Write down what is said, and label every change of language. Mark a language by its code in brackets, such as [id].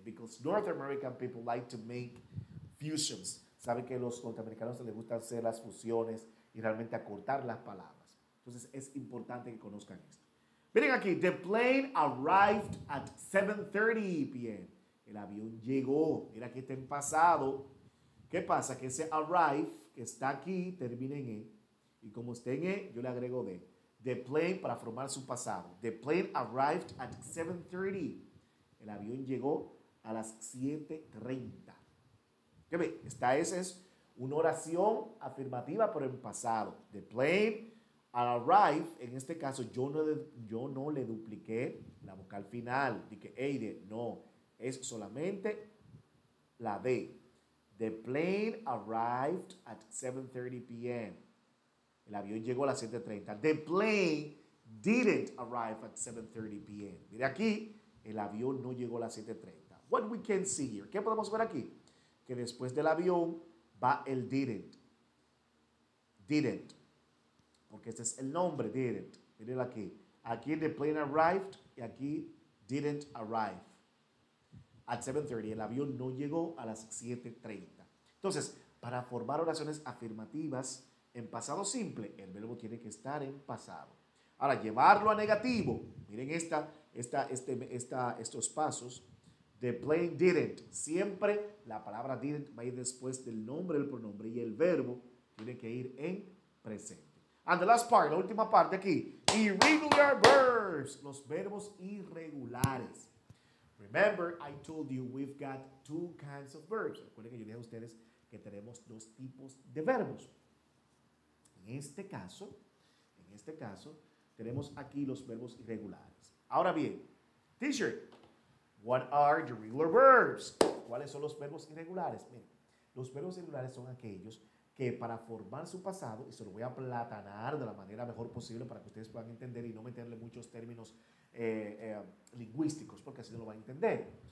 [en] Because North American people like to make fusions. [es] Saben que a los norteamericanos les gusta hacer las fusiones y realmente acortar las palabras. Entonces es importante que conozcan esto. Miren aquí, [en] the plane arrived at 7:30 p.m. [es] El avión llegó. Mira que está en pasado. ¿Qué pasa? Que ese arrive, que está aquí, termina en E. Y como está en E, yo le agrego D. [en] The plane, [es] para formar su pasado. [en] The plane arrived at 7:30. [es] El avión llegó a las 7:30. ¿Qué ve? Esta es una oración afirmativa, pero en pasado. [en] The plane [es] al arrive, en este caso, yo no le dupliqué la vocal final. Dije, Aide, no, es solamente la D. [en] The plane arrived at 7:30 p.m. [es] El avión llegó a las 7:30. [en] The plane didn't arrive at 7:30 p.m. [es] Mire aquí, el avión no llegó a las 7:30. [en] What we can see here? [es] ¿Qué podemos ver aquí? Que después del avión va el didn't. Didn't. Porque este es el nombre, didn't. Mírenlo aquí. Aquí [en] the plane arrived [es] y aquí [en] didn't arrive. At 7:30. [es] El avión no llegó a las 7:30. Entonces, para formar oraciones afirmativas en pasado simple, el verbo tiene que estar en pasado. Ahora, llevarlo a negativo. Miren estos pasos. [en] The plane didn't. [es] Siempre la palabra didn't va a ir después del nombre, el pronombre, y el verbo tiene que ir en presente. [en] And the last part, [es] la última parte aquí. [en] Irregular verbs. [es] Los verbos irregulares. [en] Remember, I told you we've got two kinds of verbs. [es] Recuerden que yo dije a ustedes que tenemos dos tipos de verbos. En este caso, tenemos aquí los verbos irregulares. Ahora bien, [en] teacher, what are the regular verbs? [es] ¿Cuáles son los verbos irregulares? Miren, los verbos irregulares son aquellos que para formar su pasado, y se lo voy a aplatanar de la manera mejor posible para que ustedes puedan entender y no meterle muchos términos lingüísticos, porque así no lo van a entender.